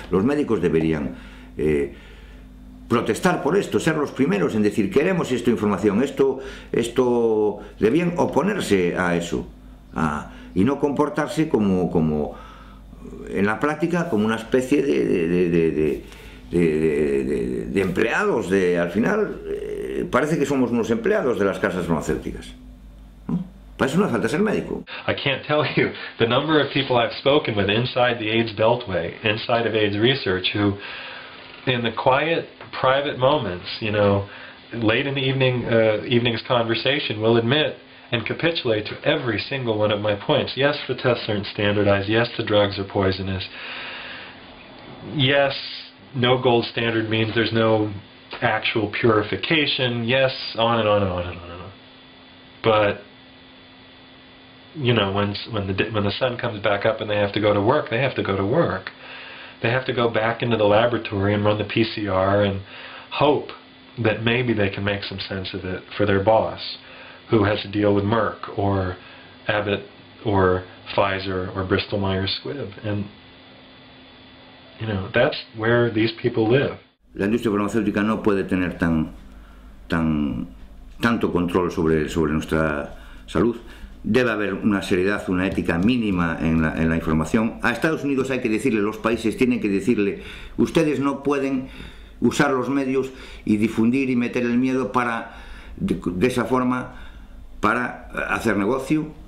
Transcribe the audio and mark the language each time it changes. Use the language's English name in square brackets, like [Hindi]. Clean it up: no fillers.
[Spanish] Los médicos deberían protestar por esto, ser los primeros en decir queremos esta información, esto debían oponerse a eso, y no comportarse como en la práctica como una especie de empleados, de al final parece que somos unos empleados de las casas farmacéuticas, ¿no? Para eso no hace falta ser médico. [English] I can't tell you the number of people I've spoken with inside the AIDS Beltway, inside of AIDS research, who in the quiet private moments, you know, late in the evening, evening's conversation, will admit and capitulate to every single one of my points. Yes, the tests aren't standardized. Yes, the drugs are poisonous. Yes, no gold standard means there's no actual purification. Yes, on and on and on and on and on. But, you know, when the sun comes back up and they have to go to work, they have to go to work. They have to go back into the laboratory and run the PCR and hope that maybe they can make some sense of it for their boss, who has to deal with Merck or Abbott or Pfizer or Bristol-Myers Squibb. And, you know, that's where these people live. [Spanish] La industria farmacéutica no puede tener tanto control sobre nuestra salud. Debe haber una seriedad, una ética mínima en la información. A Estados Unidos hay que decirle, los países tienen que decirle, ustedes no pueden usar los medios y difundir y meter el miedo para, de esa forma, para hacer negocio.